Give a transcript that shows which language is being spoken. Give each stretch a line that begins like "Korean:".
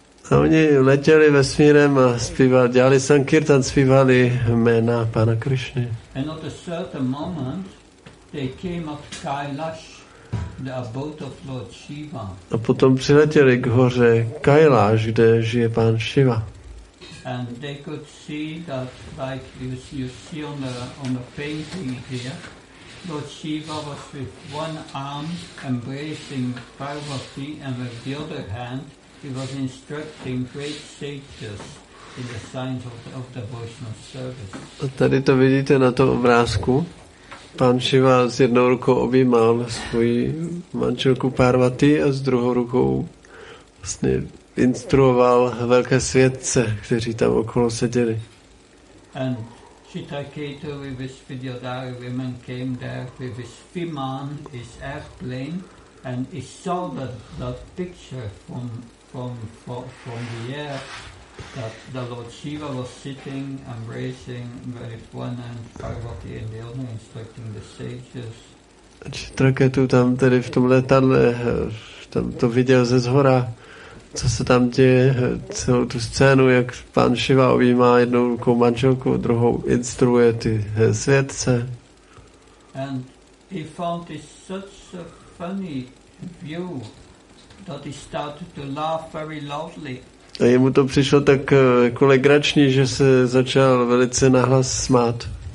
Czech: A oni letěli vesmírem a dělali sankirtan, zpívali jména pana Krišny.
English: And at a certain moment they came up Kailash, the abode of Lord Shiva.
Czech: A potom přiletěli k hoře Kailash, kde žije pán Shiva.
English: And they could see that, like you see on the painting here, Lord Shiva was with one arm embracing Parvati, and with the other hand he was instructing great sages in the science of devotional service.
Czech: A tady to vidíte na tom obrázku. Pán Shiva s jednou rukou objímal svoji manželku Parvati a s druhou rukou vlastně instruoval velké světce, kteří tam okolo seděli.
English: And Chitraketu with his Vidyadhara women came there with his Viman, his airplane, and he saw that picture from the air that the Lord Shiva was sitting embracing with one hand Parvati and the other instructing the sages.
Czech: Chitraketu tam tedy v tom letadle tam to viděl ze zhora, co se tam děje, celou tu scénu, jak pan Shiva objímá jednou rukou manželku, druhou instruuje ty světce.
English: And he found this such a funny view that he started to laugh very loudly.
Czech: A jemu to přišlo tak jako legrační, že se začal velice nahlas smát.